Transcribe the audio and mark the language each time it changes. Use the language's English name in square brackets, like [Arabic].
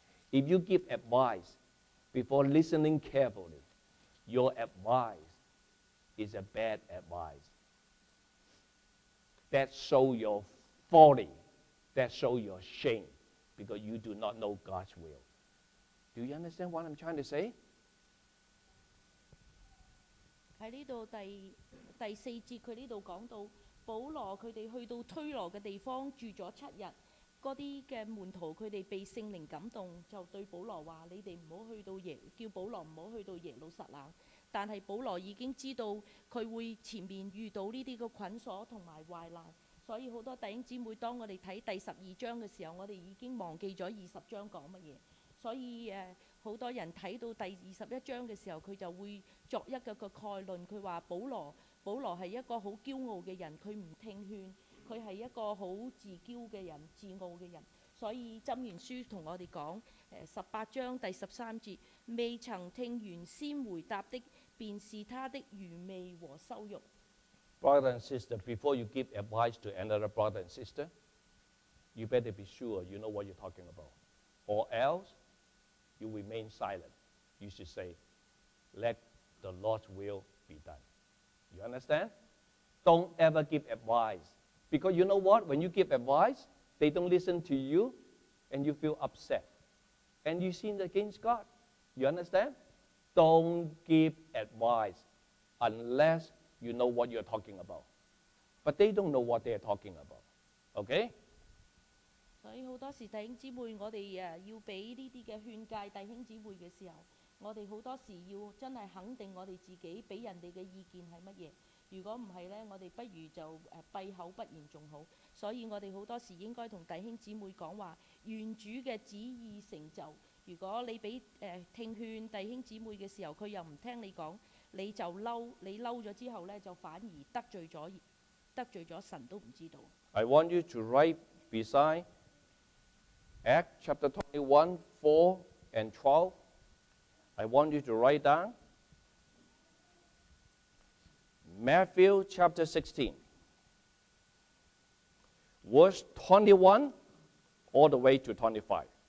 [English] If you give advice before listening carefully, your advice is a bad advice. That shows your folly. That shows your shame because you do not know God's will. Do you understand what I'm trying to say? [Chinese] 在这里第四节，他这里讲到保罗他们去到推罗的地方住了七日，那些的门徒他们被圣灵感动，就对保罗说，你们不要去到叫保罗不要去到耶路撒冷。但是保罗已经知道他会前面遇到这些捆锁和坏难，所以很多弟兄姊妹，当我们看第十二章的时候，我们已经忘记了二十章讲什么。所以很多人看到第二十一章的时候，他就会作一个概论，他说保罗是一个很骄傲的人，他不听劝，他是一个很自骄的人，自傲的人。所以箴言书跟我们讲，十八章第十三节，未曾听原先回答的，便是他的愚昧和羞辱。 [English] Brother and sister, before you give advice to another brother and sister, you better be sure you know what you're talking about. Or else, you remain silent. You should say, let the Lord's will be done. You understand? Don't ever give advice. Because you know what? When you give advice, they don't listen to you, and you feel upset. And you sin against God. You understand? Don't give advice unless you know what you're talking about. But they don't know what they're talking about. Okay? [Chinese] 所以很多时候弟兄姊妹，我们要给这些的劝戒弟兄姊妹的时候，我们很多时候要真的肯定我们自己给人家的意见是什么。如果不是呢，我们不如就闭口不言更好。所以我们很多时候应该跟弟兄姊妹说，愿主的旨意成就。如果你给听劝弟兄姊妹的时候，他又不听你说，你就生气，你生气了之后呢，就反而得罪了神都不知道。 [English] I want you to write beside Acts chapter 21, 4 and 12. I want you to write down Matthew chapter 16, verse 21 all the way to 25.